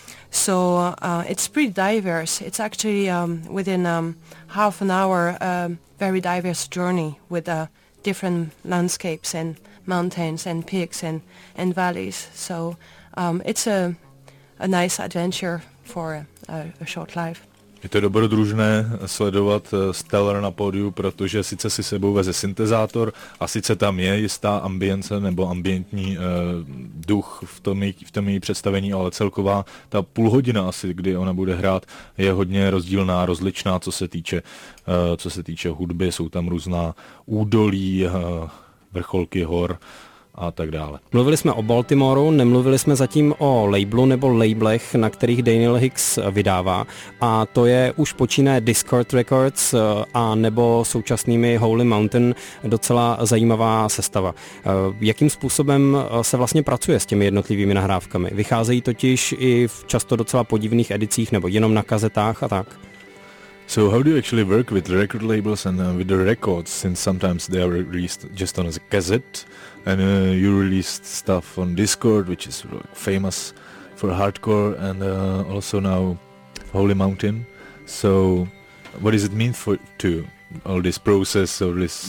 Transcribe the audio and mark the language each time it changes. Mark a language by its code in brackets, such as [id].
[en] So it's pretty diverse. It's actually within half an hour very diverse journey with different landscapes and mountains and peaks and valleys. So it's a nice adventure for a short life. [cs] Je to dobrodružné sledovat Stellar na pódiu, protože sice si sebou veze syntezátor a sice tam je jistá ambience nebo ambientní duch v tom její představení, ale celková ta půl hodina asi, kdy ona bude hrát, je hodně rozdílná, rozličná, co se týče hudby, jsou tam různá údolí, vrcholky hor a tak dále. Mluvili jsme o Baltimoru, nemluvili jsme zatím o labelu nebo labelech, na kterých Daniel Hicks vydává, a to je už počínaje Discord Records a nebo současnými Holy Mountain, docela zajímavá sestava. Jakým způsobem se vlastně pracuje s těmi jednotlivými nahrávkami? Vycházejí totiž i v často docela podivných edicích nebo jenom na kazetách a tak? [en] So how do you actually work with record labels and with the records, since sometimes they are released just on a cassette and you released stuff on Discord, which is famous for hardcore, and also now Holy Mountain. So what does it mean for to all this process or this?